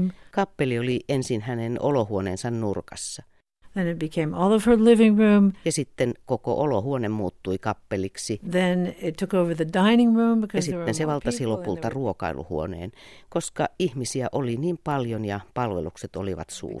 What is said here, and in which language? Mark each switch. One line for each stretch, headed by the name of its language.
Finnish: Kappeli oli ensin hänen olohuoneensa nurkassa.
English: Then it became all of her living room.
Finnish: Ja sitten koko olohuone muuttui kappeliksi.
English: Then it took over the dining room because
Finnish: ja sitten se valtasi lopulta ruokailuhuoneen, koska ihmisiä oli niin paljon ja palvelukset olivat suuria.